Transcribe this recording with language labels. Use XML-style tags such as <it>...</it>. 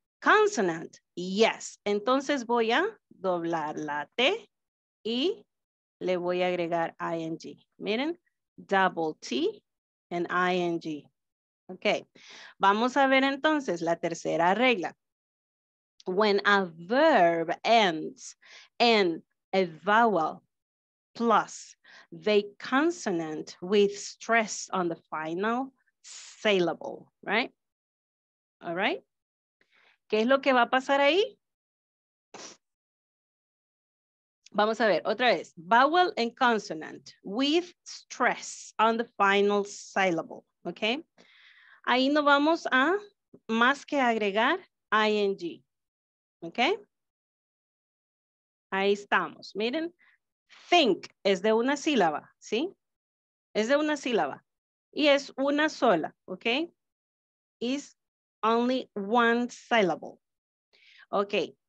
<en>Consonant, yes.</en> <es>Entonces voy a doblar la T y le voy a agregar ing.</es> <en>Miren, double T and ing.</en> <es>Ok, vamos a ver entonces la tercera regla.</es> <en>When a verb ends in a vowel plus the consonant with stress on the final syllable, right? All right?</en> <es>¿Qué es lo que va a pasar ahí? Vamos a ver, otra vez.</es> <en>Vowel and consonant with stress on the final syllable, okay?</en> <es>Ahí no vamos a más que agregar ing. ¿Ok? Ahí estamos. Miren, think es de una sílaba, ¿sí? Es de una sílaba. Y es una sola, ¿ok?</es> <en>Is only one syllable.</en> <es>¿Ok?</es>